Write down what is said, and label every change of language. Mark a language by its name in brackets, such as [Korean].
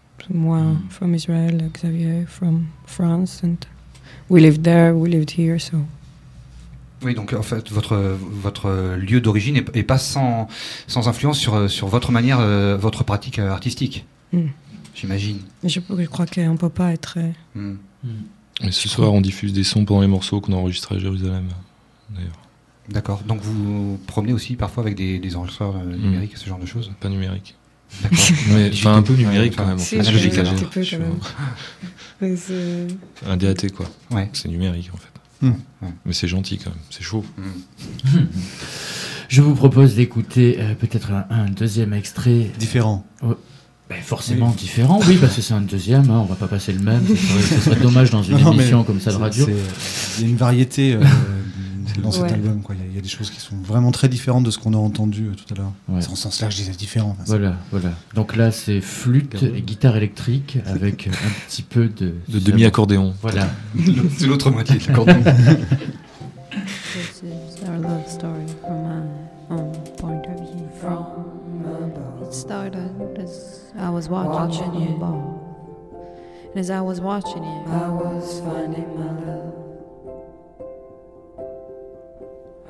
[English] Moi, from Israel, Xavier, from France, and we lived there, we lived here, so. [French] Oui, donc en fait, votre lieu d'origine n'est pas sans influence sur votre manière, votre pratique artistique, j'imagine. Je crois qu'on ne peut pas être... Et ce soir, on diffuse des sons pendant les morceaux qu'on a enregistrés à Jérusalem, d'ailleurs. D'accord. Donc vous promenez aussi parfois avec des enregistreurs numériques, ce genre de choses ? Pas numérique. D'accord. Mais enfin, un peu numérique quand même. C'est logique. Un peu quand même. Un DAT quoi. Ouais. C'est numérique en fait. Mais c'est gentil quand même. C'est chaud. Je vous propose d'écouter peut-être un deuxième extrait. Différent. Ben forcément oui. Différent, oui, parce que c'est un deuxième, hein, on va pas passer le même, ce serait dommage dans une émission comme ça de radio. Il y a une variété dans cet album, quoi. Il y a des choses qui sont vraiment très différentes de ce qu'on a entendu tout à l'heure. Ouais. C'est en sens large, je disais différent. Enfin, voilà. Donc là, c'est flûte et guitare électrique avec un petit peu de... De demi-accordéon. Voilà. C'est l'autre moitié de l'accordéon. [English] This is our love story from my own point of view. From it started as I was watching you. And as I was watching you, I was finding my love.